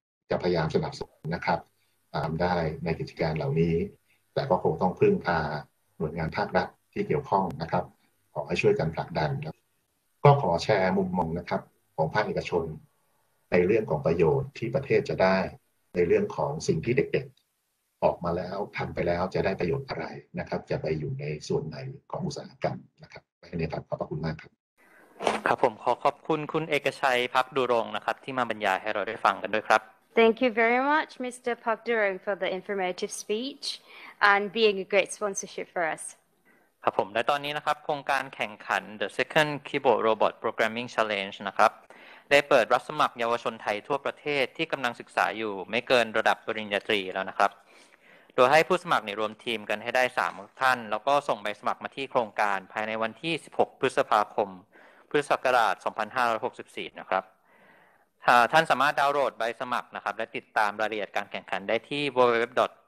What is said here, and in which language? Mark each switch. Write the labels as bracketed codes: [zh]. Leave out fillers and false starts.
[th] จะพยายามสนับสนุนนะครับตามได้ในกิจการเหล่านี้แต่ก็คงต้องพึ่งพาหน่วยงานภาครัฐที่เกี่ยวข้องนะครับขอให้ช่วยกันผลักดันก็ขอแชร์มุมมองนะครับของภาคเอกชนในเรื่องของประโยชน์ที่ประเทศจะได้ในเรื่องของสิ่งที่เด็กๆออกมาแล้วทำไปแล้วจะได้ประโยชน์อะไรนะครับจะไปอยู่ในส่วนไหนของอุตสาหกรรมนะครับวันนี้ครับขอบพระคุณมากครับ ครับผมขอขอบคุณคุณเอกชัยภักดุรงค์นะครับที่มาบรรยายให้เราได้ฟังกันด้วยครับ [en] Thank you very much Mr. Park Durong for the informative speech and being a great sponsorship for us [th] ครับผมและตอนนี้นะครับโครงการแข่งขัน The Second Keyboard Robot Programming Challenge นะครับได้เปิดรับสมัครเยาวชนไทยทั่วประเทศที่กำลังศึกษาอยู่ไม่เกินระดับปริญญาตรีแล้วนะครับโดยให้ผู้สมัครในรวมทีมกันให้ได้3ท่านแล้วก็ส่งใบสมัครมาที่โครงการภายในวันที่16พฤษภาคมพุทธศักราช2564นะครับท่านสามารถดาวน์โหลดใบสมัครนะครับและติดตามรายละเอียดการแข่งขันได้ที่ www.